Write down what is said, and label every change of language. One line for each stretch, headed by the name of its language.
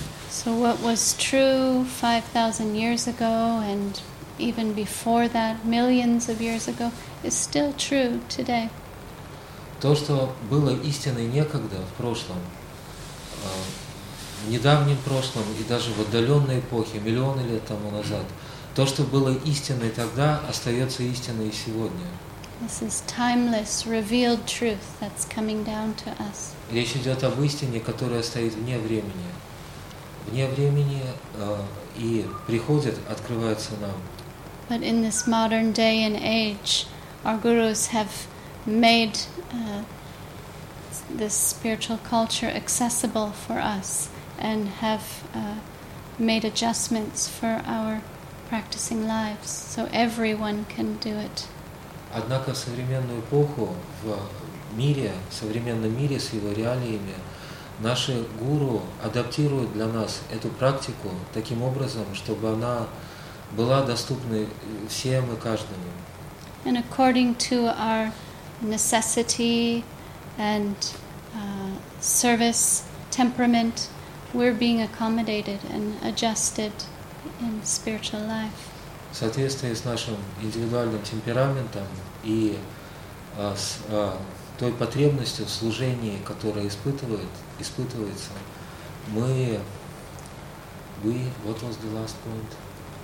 English: So what was true 5,000 years ago and even before that, millions of years ago, is still true today.
Russian: То, что было истиной некогда в прошлом, в недавнем прошлом и даже в отдаленной эпохе, миллионы лет тому назад, то, что было истиной тогда, остается истиной и сегодня.
English: This is timeless, revealed truth that's coming down to us.
Russian: Речь идет об истине, которая стоит вне времени. Вне времени и приходит, открывается нам.
English: But in this modern day and age, our gurus have made this spiritual culture accessible for us and have made adjustments for our practicing lives, so everyone can do it.
Russian: Однако в современную эпоху, в мире, в современном мире с его реалиями, наши гуру адаптируют для нас эту практику таким образом, чтобы она была доступна всем и каждому.
English: And according to our necessity and service temperament, we're being accommodated and adjusted in spiritual life.
Russian: В соответствии с нашим индивидуальным темпераментом и с той потребностью в служении, которая испытывается, мы...
English: What was the last point?